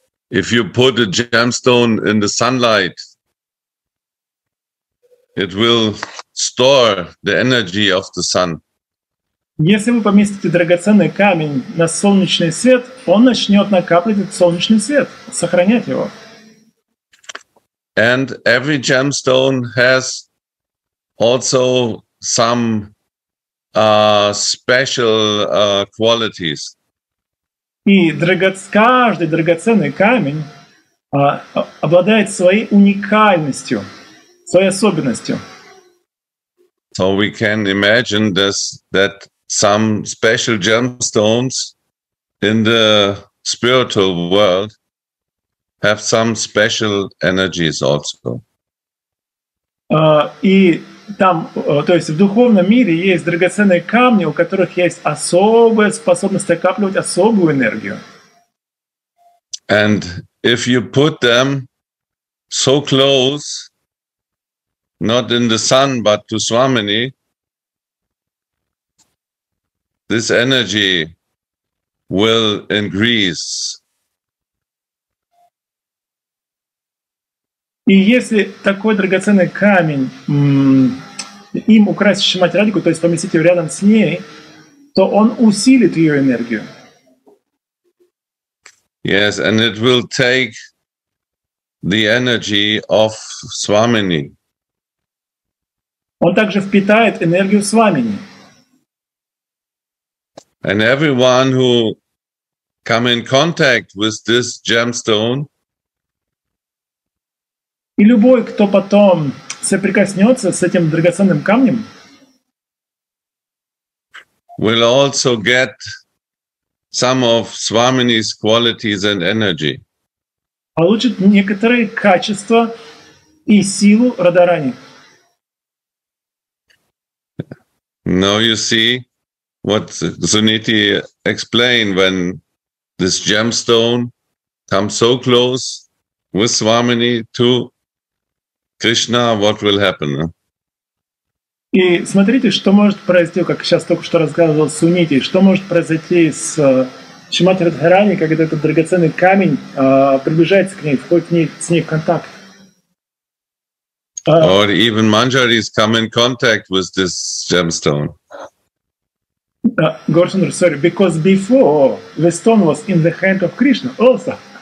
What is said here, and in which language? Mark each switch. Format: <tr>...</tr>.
<en>If you put a gemstone in the sunlight, it will store the energy of the sun.</en> <ru>Если вы поместите драгоценный камень на солнечный свет, он начнет накапливать этот солнечный свет, сохранять его.</ru> <en>And every gemstone has also some special qualities.</en> <ru>И каждый драгоценный камень обладает своей уникальностью, своей особенностью.</ru> <en>So we can imagine this, that some special gemstones in the spiritual world have some special energies also.</en> <ru>То есть в духовном мире есть драгоценные камни, у которых есть особая способность накапливать особую энергию.</ru> <en>And if you put them so close, not in the sun, but to Swamini, this energy will increase.</en> <ru>И если такой драгоценный камень, им украсить Шимати Радику, то есть поместить его рядом с ней, то он усилит ее энергию.</ru> <en>Yes, and it will take the energy of Swamini.</en> <ru>Он также впитает энергию Свамини.</ru> <en>And everyone who come in contact with this gemstone,</en> <ru>и любой, кто потом соприкоснется с этим драгоценным камнем,</ru> <en>will also get some of Swamini's qualities and energy.</en> <ru>Получит некоторые качества и силу Радарани.</ru> <en>Now you see what Suniti explained when this gemstone comes so close with Swamini to Krishna, what will happen?</en> <ru>И смотрите, что может произойти, как сейчас только что рассказывал Суните, что может произойти с Шримати Радхарани, когда этот драгоценный камень приближается к ней, входит с ней в контакт.</ru> <en>Or even Manjari's come in contact with this gemstone. Gorshundar, sorry, because before the stone was in the hand of Krishna also.</en>